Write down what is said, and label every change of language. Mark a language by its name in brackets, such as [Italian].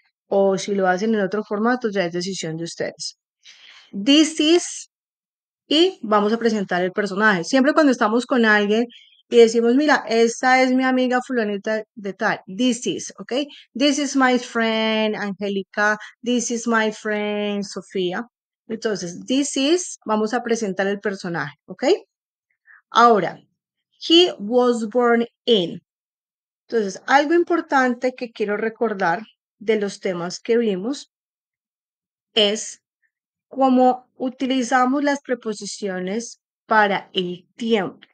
[Spanish] O si lo hacen en otro formato, ya es decisión de ustedes. [English] This is, [Spanish] y vamos a presentar el personaje. Siempre cuando estamos con alguien y decimos, mira, esta es mi amiga fulanita de tal. [English] This is, ¿ok? This is my friend, Angélica. This is my friend, Sofía. [Spanish] Entonces, [English] this is, [Spanish] vamos a presentar el personaje, ¿ok? Ahora, [English] he was born in. [Spanish] Entonces, algo importante que quiero recordar de los temas que vimos es cómo utilizamos las preposiciones para el tiempo.